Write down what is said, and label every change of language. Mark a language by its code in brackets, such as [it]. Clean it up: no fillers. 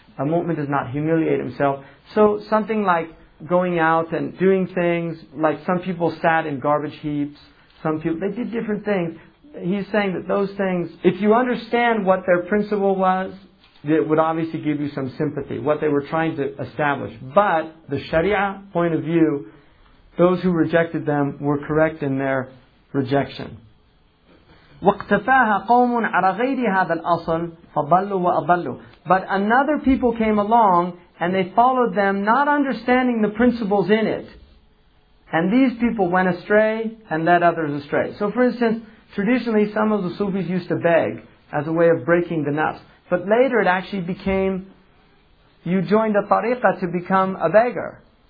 [en] A mu'min does not humiliate himself. So something like going out and doing things, like some people sat in garbage heaps, some people, they did different things. He's saying that those things, if you understand what their principle was, it would obviously give you some sympathy, what they were trying to establish. But the Sharia point of view, those who rejected them were correct in their rejection. [ar] واقتفاها قوم على غير هذا الأصل فضلوا وأضلوا. [en] But another people came along and they followed them, not understanding the principles in it. And these people went astray and led others astray. So for instance, traditionally some of the Sufis used to beg as a way of breaking the nafs. But later it actually became, you joined a tariqah to become a beggar.